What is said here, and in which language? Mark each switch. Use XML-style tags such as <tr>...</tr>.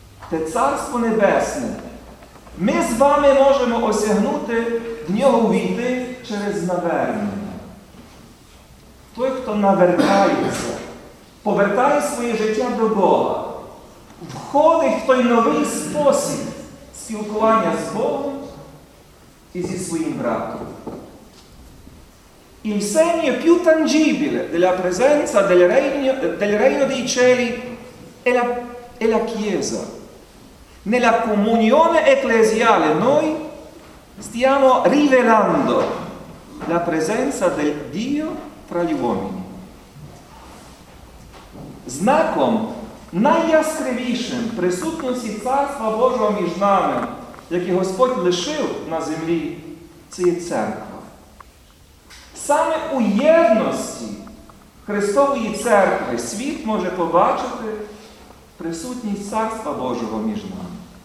<uk>Те Царство Небесне ми з вами можемо осягнути, в нього увійти через навернення. Той, хто навертається, повертає своє життя до Бога, входить в той новий спосіб спілкування з Богом і зі своїм братом.</uk> <it>Il segno più tangibile della presenza del Regno dei Cieli è la Chiesa. Nella comunione ecclesiale noi stiamo rivelando la presenza del Dio tra gli uomini.</it> <uk>Знаком найяскравішим присутності Царства Божого між нами, який Господь лишив на землі, це є Церква. Саме у єдності Христової Церкви світ може побачити присутність Царства Божого між нами.</uk>